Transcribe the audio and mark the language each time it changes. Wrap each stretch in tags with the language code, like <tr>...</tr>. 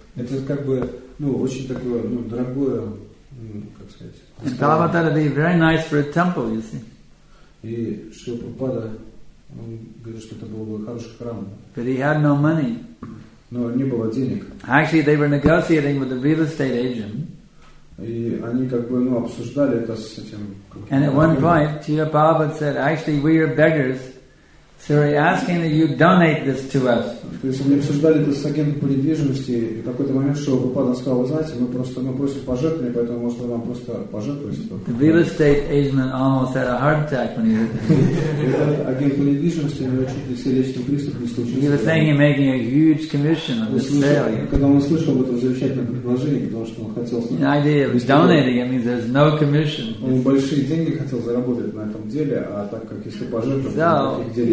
<en>And Prabhupada would be very nice for a temple, you see.</en> <ru>И Шрила Прабхупада, он говорит, что это был бы хороший храм.</ru> <en>But he had no money.</en> <ru>Но не было денег.</ru> <en>Actually, they were negotiating with the real estate agent.</en> <ru>И они как бы, ну, обсуждали это с этим.</ru> <en>And at one point, Shrila Prabhupada said, actually, we are beggars, so we're asking that you donate this to us.</en> <ru>То есть они обсуждали это с агентом по недвижимости, и в какой-то момент Шрила Прабхупада сказал, вы знаете, мы просто, мы просим пожертвования, поэтому может вам просто пожертвовать.</ru> <en>The real estate agent almost had a heart attack when he heard that.</en> <ru>Агент по недвижимости, у него чуть ли сердечный приступ не случился.</ru> <en>He was thinking of making a huge commission on this sale.</en> <ru>Когда он услышал об этом замечательном предложении, потому что он хотел...</ru> <en>The idea of donating, it means there's no commission.</en> <ru>Он большие деньги хотел заработать на этом деле, а так как если пожертвовать...</ru>